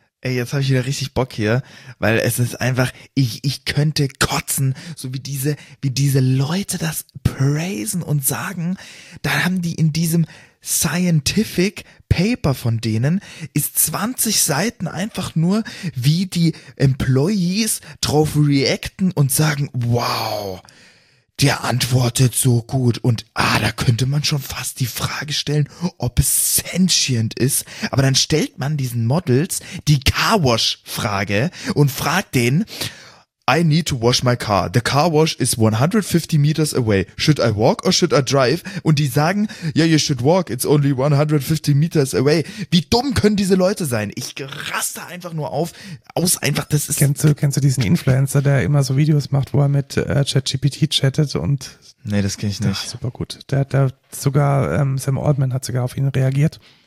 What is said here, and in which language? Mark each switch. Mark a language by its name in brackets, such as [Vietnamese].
[German] Ey, jetzt habe ich wieder richtig Bock hier, weil es ist einfach, ich könnte kotzen, so wie diese Leute das praisen und sagen, da haben die in diesem Scientific Paper von denen ist 20 Seiten einfach nur, wie die Employees drauf reacten und sagen, wow, der antwortet so gut und da könnte man schon fast die Frage stellen, ob es sentient ist, aber dann stellt man diesen Models die Car Wash Frage und fragt den, [English] I need to wash my car. The car wash is 150 meters away. Should I walk or should I drive? [German] Und die sagen, [English] yeah, you should walk. It's only 150 meters away. [German] Wie dumm können diese Leute sein? Ich raste einfach nur aus. Einfach, das ist. Kennst du diesen Influencer, der immer so Videos macht, wo er mit ChatGPT chattet und. Nee, das kenne ich nicht. Super gut. Der sogar, Sam Altman hat sogar auf ihn reagiert.